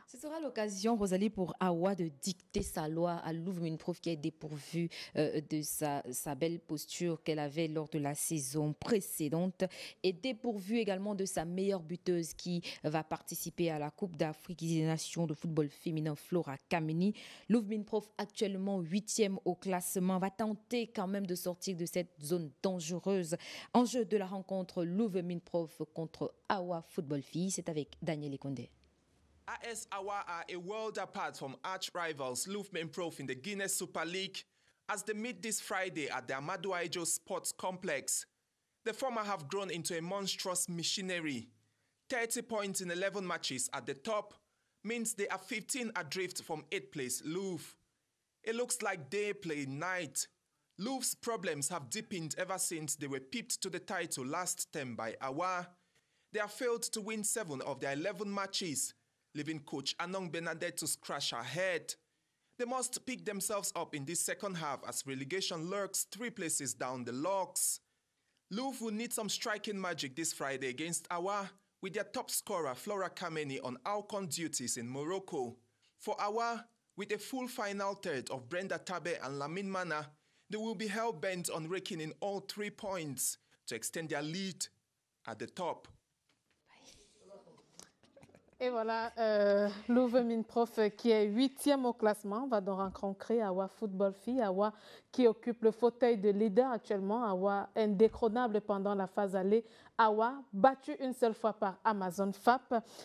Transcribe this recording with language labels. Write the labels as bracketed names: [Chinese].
[French] Ce sera l'occasion, Rosalie, pour AWA de dicter sa loi à Louvemin Prof qui est dépourvue de sa belle posture qu'elle avait lors de la saison précédente et dépourvue également de sa meilleure buteuse qui va participer à la Coupe d'Afrique des Nations de football féminin, Flora Kameni. Louvemin Prof, actuellement 8e au classement, va tenter quand même de sortir de cette zone dangereuse. Enjeu de la rencontre Louvemin Prof contre AWA Football Fille, c'est avec Daniel Ekonde. [English] AS AWA are a world apart from arch rivals Louvemin Prof in the Guinness Super League as they meet this Friday at the Amadou Ahidjo Sports Complex. The former have grown into a monstrous machinery. 30 points in 11 matches at the top means they are 15 adrift from 8th place Louv. It looks like they play night. Louv's problems have deepened ever since they were pipped to the title last term by AWA. They have failed to win 7 of their 11 matches, leaving coach Anong Bernadette to scratch her head. They must pick themselves up in this second half as relegation lurks three places down the logs. Louf will need some striking magic this Friday against Awa, with their top scorer Flora Kameni on Alcon duties in Morocco. For Awa, with a full final third of Brenda Tabe and Lamine Mana, they will be hell-bent on raking in all 3 points to extend their lead at the top. [French] Et voilà, Louve Minprof, qui est 8e au classement, va donc rencontrer Awa Football Fille, Awa qui occupe le fauteuil de leader actuellement, Awa indécrônable pendant la phase aller, Awa battu une seule fois par Amazon FAP.